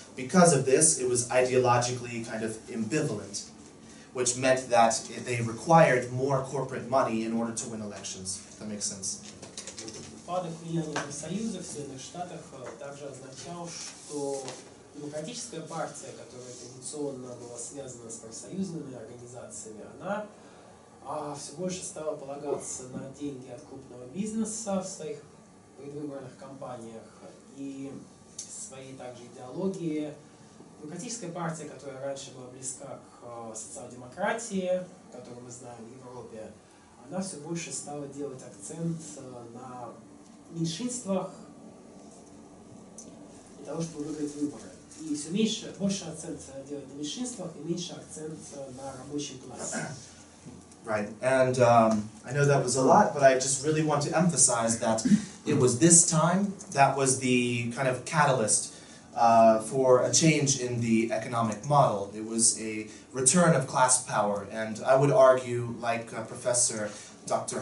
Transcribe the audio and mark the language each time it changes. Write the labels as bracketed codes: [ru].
[en] Because of this, it was ideologically kind of ambivalent, which meant that they required more corporate money in order to win elections, if that makes sense. [ru] Упадок влияния профсоюзов в Соединенных Штатах также означал, что Демократическая партия, которая традиционно была связана с профсоюзными организациями, она все больше стала полагаться на деньги от крупного бизнеса в своих предвыборных кампаниях и своей также идеологии. Демократическая партия, которая раньше была близка к социал-демократии, которую мы знаем в Европе, она все больше стала делать акцент на меньшинствах для того, чтобы выиграть выборы. И все меньше, больше акцент делать на меньшинствах и меньше акцент на рабочий класс. [en] Right. And I know that was a lot, but I just really want to emphasize that it was this time that was the kind of catalyst for a change in the economic model. It was a return of class power, and I would argue, like Professor Dr.